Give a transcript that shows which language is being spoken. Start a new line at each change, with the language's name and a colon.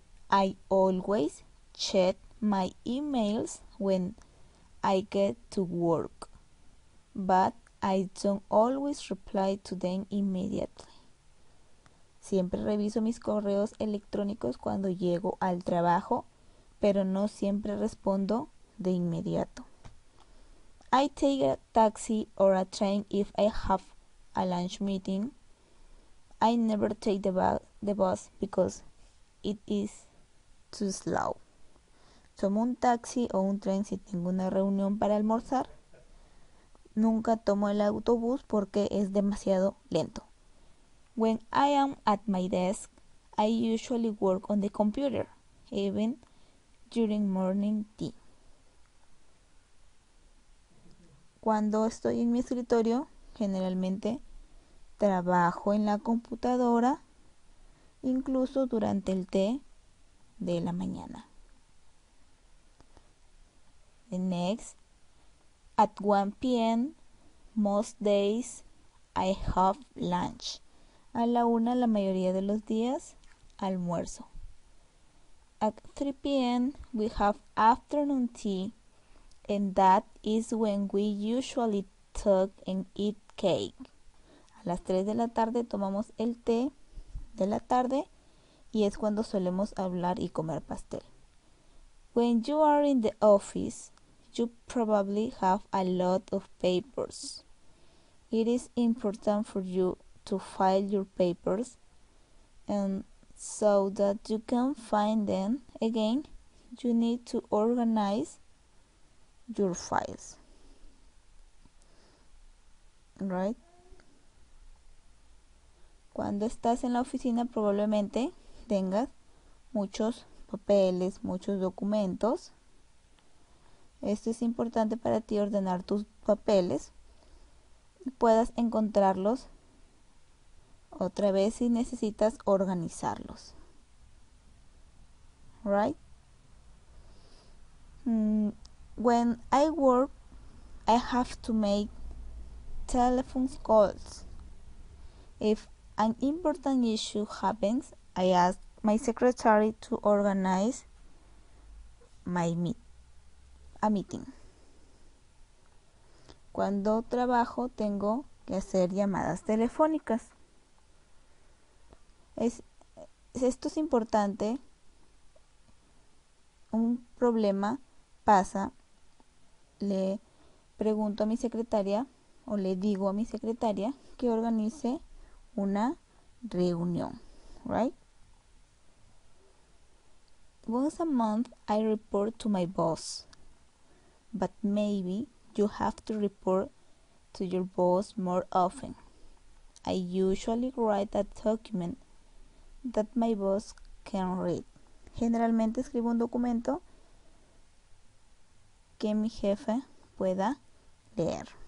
English: I always check my emails when I get to work, but I don't always reply to them immediately.
Spanish: Siempre reviso mis correos electrónicos cuando llego al trabajo, pero no siempre respondo de inmediato.
English: I take a taxi or a train if I have a lunch meeting. I never take the bus because it is too slow.
Spanish: Tomo un taxi o un tren si tengo una reunión para almorzar. Nunca tomo el autobús porque es demasiado lento.
English: When I am at my desk, I usually work on the computer, even during morning tea.
Spanish: Cuando estoy en mi escritorio, generalmente trabajo en la computadora, incluso durante el té de la mañana.
English: The next, at 1 p.m., most days I have lunch.
Spanish: A la una, la mayoría de los días, almuerzo.
English: At 3 p.m., we have afternoon tea, and that is when we usually talk and eat cake.
Spanish: A las 3 de la tarde tomamos el té de la tarde, y es cuando solemos hablar y comer pastel.
English: When you are in the office, you probably have a lot of papers. It is important for you to file your papers and so that you can find them again, you need to organize your files. Right?
Spanish: Cuando estás en la oficina, probablemente tengas muchos papeles, muchos documentos. Esto es importante para ti, ordenar tus papeles y puedas encontrarlos otra vez si necesitas organizarlos.
English: Right? When I work, I have to make telephone calls. If An important issue happens. I ask my secretary to organize a meeting.
Spanish: Cuando trabajo, tengo que hacer llamadas telefónicas. Esto es importante. Un problema pasa. Le pregunto a mi secretaria o le digo a mi secretaria que organice una reunión.
English: Right? Once a month, I report to my boss. But maybe you have to report to your boss more often. I usually write a document that my boss can read.
Spanish: Generalmente escribo un documento que mi jefe pueda leer.